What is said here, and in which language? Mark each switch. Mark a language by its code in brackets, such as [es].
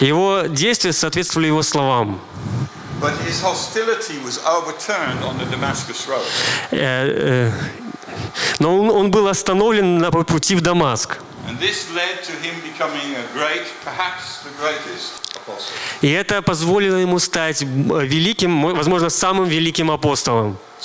[ru] Его действия соответствовали его словам. [en] But his hostility was overturned on the Damascus road. [ru] Но он был остановлен на пути в Дамаск. [en] And this led to him becoming a great, perhaps the greatest. [ru] И это позволило ему стать великим, возможно, самым великим апостолом.